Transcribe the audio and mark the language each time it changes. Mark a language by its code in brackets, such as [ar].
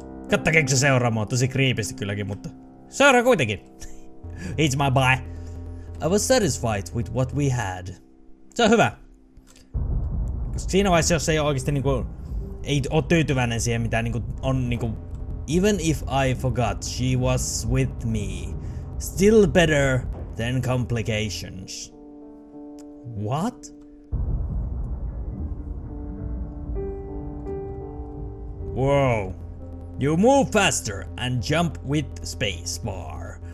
[fi] Kattakeeks se seuraa mua? Tosi kriipisti kylläkin, mutta... Seuraa kuitenkin! [en] It's my boy! I was satisfied with what we had. [fi] Se on hyvä! Siinä vaiheessa, jos ei oo oikeesti niinku... Ei oo tyytyväinen siihen, mitä niinku... On niinku... [en] Even if I forgot she was with me. Still better than complications. What? Whoa. You move faster and jump with space bar.